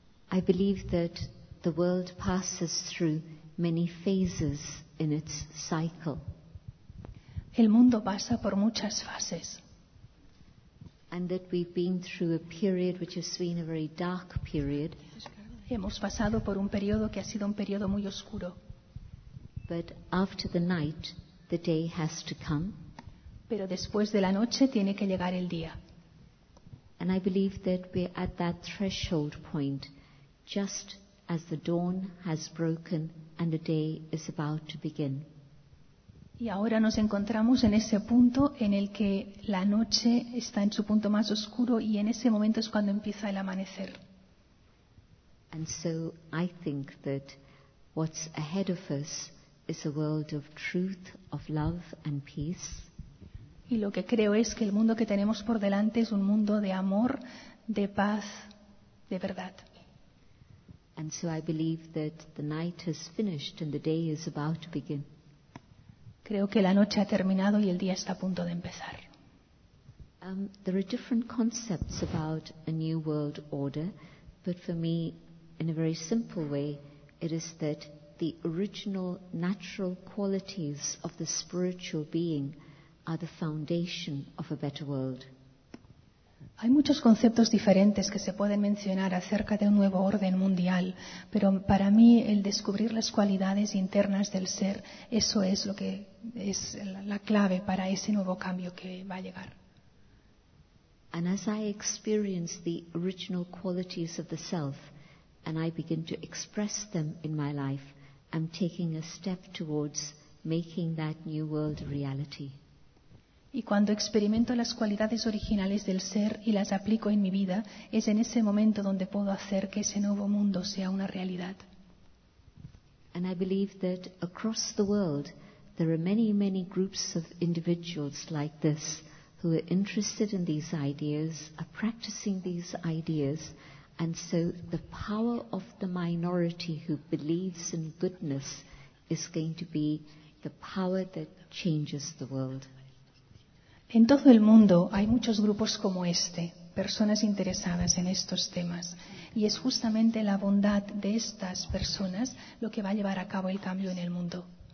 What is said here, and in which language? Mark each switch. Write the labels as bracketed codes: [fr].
[en] I believe that the world passes through many phases in its cycle. [es] El mundo pasa por muchas fases. [en] And that we've been through a period which has been a very dark period. [es] Hemos pasado por un periodo que ha sido un periodo muy oscuro. [en] But after the night, the day has to come. [es] Pero después de la noche tiene que llegar el día. [en] And I believe that we're at that threshold point, just as the dawn has broken and the day is about to begin. [es] Y ahora nos encontramos en ese punto en el que la noche está en su punto más oscuro y en ese momento es cuando empieza el amanecer. [en] And so I think that what's ahead of us is a world of truth, of love and peace. [es] Y lo que creo es que el mundo que tenemos por delante es un mundo de amor, de paz, de verdad. [en] And so I believe that the night has finished and the day is about to begin. [es] Creo que la noche ha terminado y el día está a punto de empezar. [en] There are different concepts about a new world order, but for me, in a very simple way, it is that the original natural qualities of the spiritual being are the foundation of a better world. [es] Hay muchos conceptos diferentes que se pueden mencionar acerca de un nuevo orden mundial, pero para mí el descubrir las cualidades internas del ser, eso es lo que es la clave para ese nuevo cambio que va a llegar. [en] And as I experience the original qualities of the self and I begin to express them in my life, I'm taking a step towards making that new world a reality. [es] Y cuando experimento las cualidades originales del ser y las aplico en mi vida, es en ese momento donde puedo hacer que ese nuevo mundo sea una realidad. [en] And I believe that across the world there are many, many groups of individuals like this who are interested in these ideas, are practicing these ideas, And so the power of the minority who believes in goodness is going to be the power that changes the world. [es] En todo el mundo hay muchos grupos como este, personas interesadas en estos temas. Y es justamente la bondad de estas personas lo que va a llevar a cabo el cambio en el mundo.